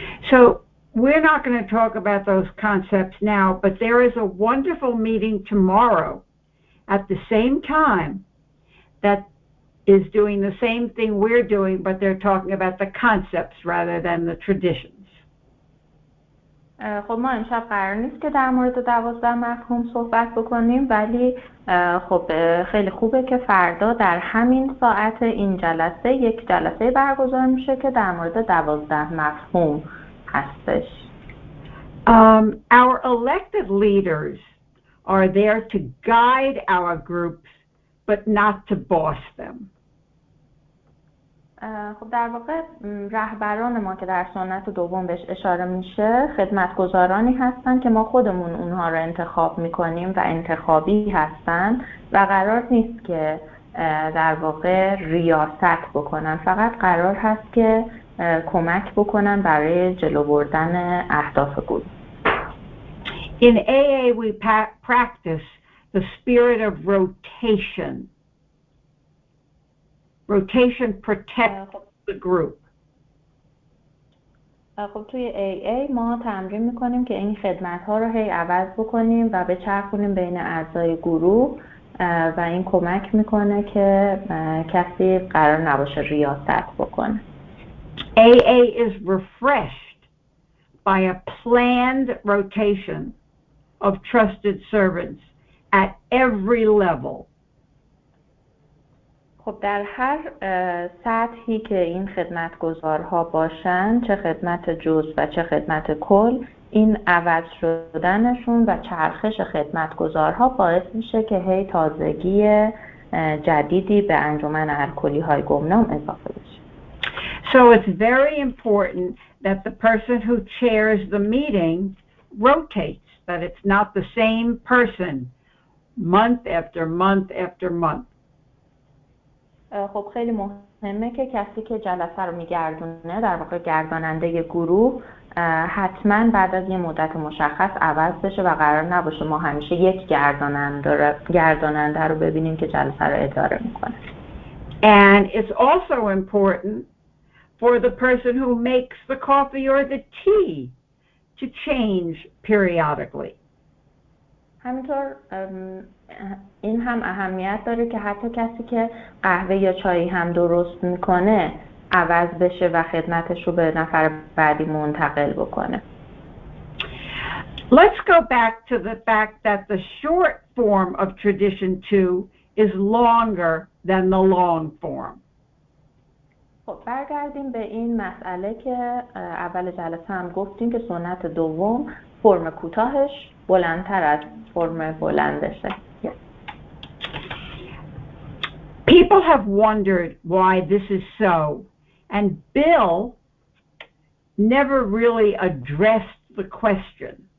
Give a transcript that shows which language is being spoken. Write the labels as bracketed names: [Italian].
[English] So we're not going to talk about those concepts now, but there is a wonderful meeting tomorrow at the same time that is doing the same thing we're doing, but they're talking about the concepts rather than the traditions. [Persian] خب ما امشب قرار نیست که در مورد 12 مفهوم صحبت بکنیم ولی خب خیلی خوبه که فردا در همین ساعت این جلسه یک جلسه برگزار میشه که در مورد 12 مفهوم هستش. [English] Our elected leaders are there to guide our groups but not to boss them. [Persian] خب در واقع رهبران ما که در سنت دوم بهش اشاره میشه خدمتگزارانی هستن که ما خودمون اونها رو انتخاب میکنیم و انتخابی هستن و قرار نیست که در واقع ریاست بکنن، فقط قرار هست که کمک بکنن برای جلو بردن اهداف گروه. [English] In AA we practice the spirit of rotation. Rotation protects the group. [Persian] خب توی AA ما تمرین میکنیم که این خدمت‌ها رو هی عوض بکنیم و بچرخونیم بین اعضای گروه و این کمک میکنه که کسی قرار نباشه ریاست بکنه. [English] AA is refreshed by a planned rotation of trusted servants at every level. [Persian] خب در هر سطحی که این خدمتگزارها باشن، چه خدمت جزء و چه خدمت کل، این عوض شدنشون و چرخش خدمتگزارها باعث میشه که هی تازگی جدیدی به انجمن الکلی های گمنام اضافه بشه. [English] So it's very important that the person who chairs the meeting rotates, that it's not the same person month after month after month. [Persian] خب خیلی مهمه که کسی که جلسه رو میگردونه در واقع گرداننده گروه حتما بعد از یه مدت مشخص عوض بشه و قرار نباشه ما همیشه یک گرداننده رو ببینیم که جلسه رو اداره میکنه. [English] And it's also important for the person who makes the coffee or the tea to change periodically. [Persian] همینطور این هم اهمیت داره که حتی کسی که قهوه یا چایی هم درست میکنه عوض بشه و خدمتش رو به نفر بعدی منتقل بکنه. [English] Let's go back to the fact that the short form of tradition 2 is longer than the long form. [Persian] خب برگردیم به این مسئله که اول جلسه هم گفتیم که سنت دوم فرم کوتاهش بلندتر از فرم بلندشه. [English] People have wondered why this is so, and Bill never really addressed the question.